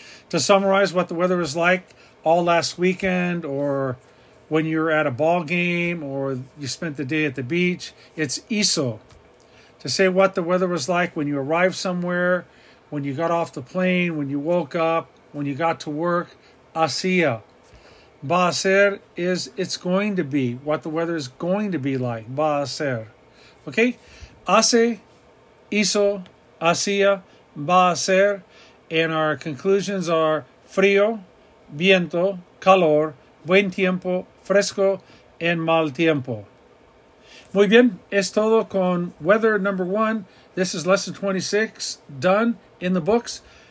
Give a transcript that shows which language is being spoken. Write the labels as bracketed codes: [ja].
[en] To summarize what the weather is like all last weekend or when you're at a ball game or you spent the day at the beach, it's hizo. To say what the weather was like when you arrived somewhere, when you got off the plane, when you woke up, when you got to work, hacía. [es] Va a ser [en] is it's going to be, what the weather is going to be like, va a ser. Okay, [es] hace, hizo, hacía, va a ser, [en] and our conclusions are frío, viento, calor, buen tiempo, fresco, and mal tiempo. [es] Muy bien, es todo con [en] weather number one. This is lesson 26, done in the books.